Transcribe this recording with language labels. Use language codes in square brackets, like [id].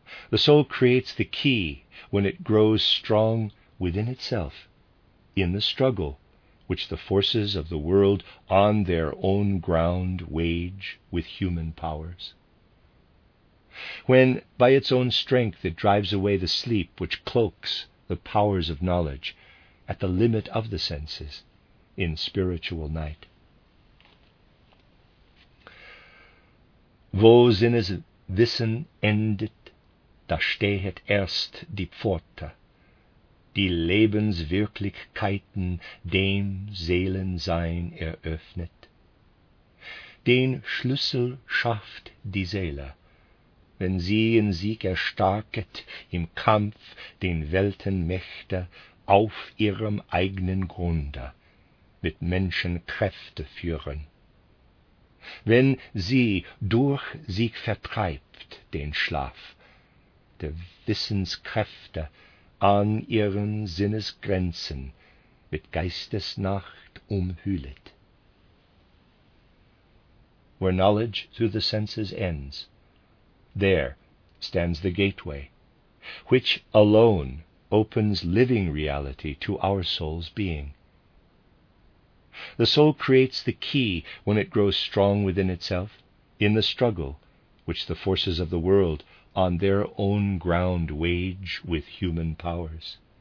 [en] The soul creates the key when it grows strong within itself, in the struggle which the forces of the world on their own ground wage with human powers. When by its own strength it drives away the sleep which cloaks the powers of knowledge at the limit of the senses in spiritual night. [de] wo sinnes Wissen endet, da stehet erst die Pforte, die Lebenswirklichkeiten dem Seelensein eröffnet. Den Schlüssel schafft die Seele, wenn sie in Sieg erstarket im Kampf den Weltenmächte auf ihrem eigenen Grunde mit Menschenkräfte führen. Wenn sie durch Sieg vertreibt den Schlaf der Wissenskräfte an ihren Sinnesgrenzen mit Geistesnacht umhüllet. [en] Where knowledge through the senses ends, there stands the gateway, which alone opens living reality to our soul's being. The soul creates the key when it grows strong within itself, in the struggle which the forces of the world on their own ground wage with human powers.